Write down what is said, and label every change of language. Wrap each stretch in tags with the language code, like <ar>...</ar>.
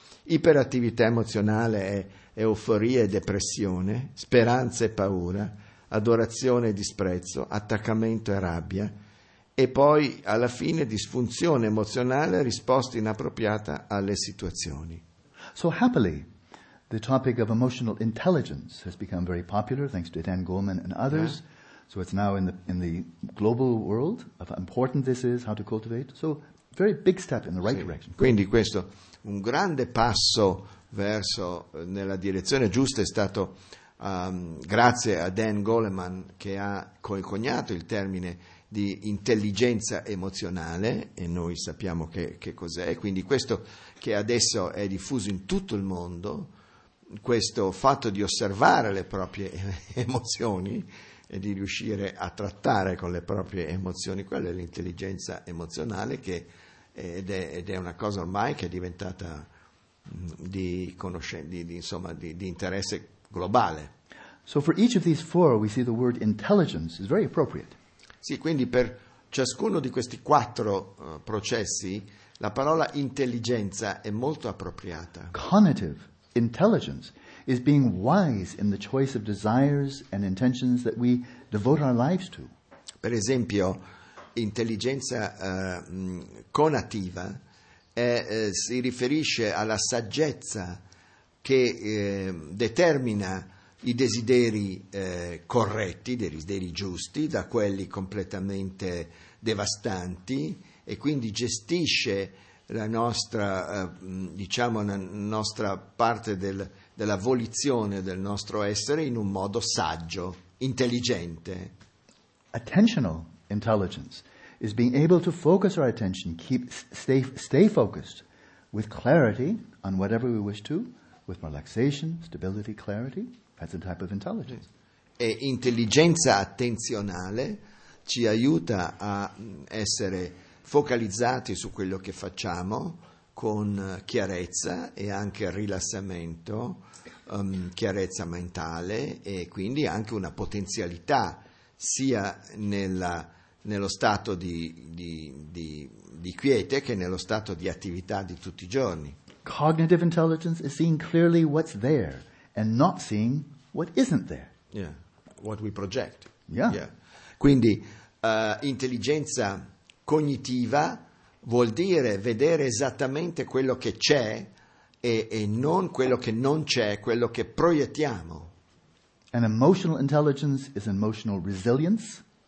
<it>Iperattività emozionale è euforia e depressione, speranza e paura, adorazione e disprezzo, attaccamento e rabbia. E poi alla fine disfunzione emozionale, risposta inappropriata alle situazioni.</it> <en>So happily, the topic of emotional intelligence has become very popular thanks to Dan Goleman and others. So it's now in the global world of how important this is, how to cultivate. So very big step in the right direction.</en> <it>Quindi questo un grande passo verso nella direzione giusta è stato grazie a Dan Goleman, che ha coniato il termine di intelligenza emozionale, e noi sappiamo che cos'è, quindi questo che adesso è diffuso in tutto il mondo, questo fatto di osservare le proprie emozioni e di riuscire a trattare con le proprie emozioni, quella è l'intelligenza emozionale, ed è una cosa ormai che è diventata di interesse globale.</it> <en>So for each of these four we see the word intelligence is very appropriate.</en> <it>Sì, quindi per ciascuno di questi quattro processi la parola intelligenza è molto appropriata.</it> <en>Cognitive intelligence is being wise in the choice of desires and intentions that we devote our lives to.</en> <it>Per esempio, intelligenza conativa si riferisce alla saggezza che determina i desideri corretti, dei desideri giusti, da quelli completamente devastanti, e quindi gestisce la nostra, la nostra parte della volizione del nostro essere in un modo saggio, intelligente.</it> <en>Attentional intelligence is being able to focus our attention, stay focused with clarity on whatever we wish to, with relaxation, stability, clarity. That's a type of intelligence.</en> <it>E intelligenza attenzionale ci aiuta a essere focalizzati su quello che facciamo con chiarezza e anche rilassamento, chiarezza mentale e quindi anche una potenzialità sia nello stato di quiete che nello stato di attività di tutti i giorni.</it> <en>Cognitive intelligence is seeing clearly what's there and not seeing what isn't there. Yeah, what we project. Yeah. Yeah.</en> <it>Quindi intelligenza cognitiva vuol dire vedere esattamente quello che c'è e non quello che non c'è, quello che proiettiamo.</it> <en>And emotional intelligence is emotional resilience.</en>